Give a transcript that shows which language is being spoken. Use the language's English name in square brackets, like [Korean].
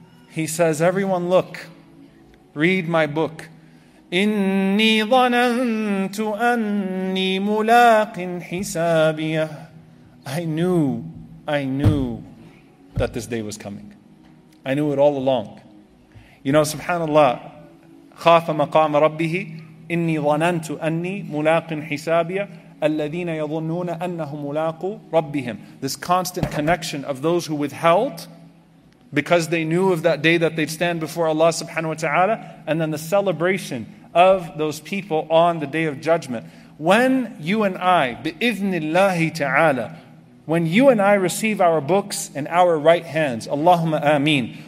[English] He says, everyone look, read my book. [Arabic] إِنِّي ظَنَنْتُ أَنِّي مُلَاقٍ حِسَابِيَهِ. [English] I knew that this day was coming. I knew it all along. You know, [Arabic] subhanAllah, خَافَ مَقَامَ رَبِّهِ إِنِّي ظَنَنْتُ أَنِّي مُلَاقٍ حِسَابِيَهِ. الَّذِينَ يَظُنُّونَ أَنَّهُمْ مُلَاقُوا رَبِّهِمْ. [English] This constant connection of those who withheld because they knew of that day that they'd stand before Allah subhanahu wa ta'ala, and then the celebration of those people on the Day of Judgment. When you and I, [Arabic] بِإِذْنِ اللَّهِ تَعَالَى, [English] when you and I receive our books in our right hands, Allahumma ameen.